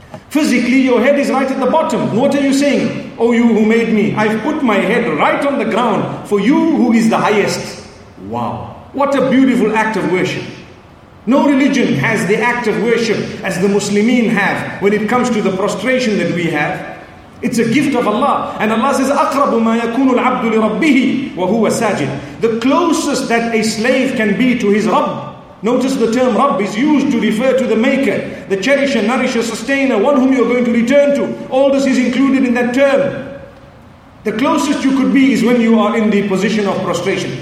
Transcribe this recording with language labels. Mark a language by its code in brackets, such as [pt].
[en] Physically, your head is right at the bottom. What are you saying? Oh, you who made me, I've put my head right on the ground for you who is the highest. Wow. What a beautiful act of worship. No religion has the act of worship as the Muslimin have when it comes to the prostration that we have. It's a gift of Allah. And Allah says, [ar] أَقْرَبُ مَا يَكُونُ الْعَبْدُ لِرَبِّهِ وَهُوَ سَاجِدٌ. [en] The closest that a slave can be to his Rabb. Notice the term Rabb is used to refer to the Maker, the Cherisher, Nourisher, Sustainer, one whom you're going to return to. All this is included in that term. The closest you could be is when you are in the position of prostration.